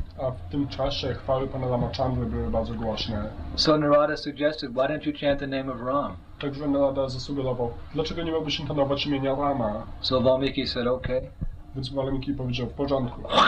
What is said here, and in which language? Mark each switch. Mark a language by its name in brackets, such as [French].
[Polish] A w tym czasie chwały Pana Ramachandry były bardzo głośne. [English] So Narada suggested, why don't you chant the name of Ram? [Polish] Także Narada zasugerował, dlaczego nie mógłbyś intonować imienia Rama? [English] So Valmiki said, okay. [Polish] Więc Valmiki powiedział, w porządku.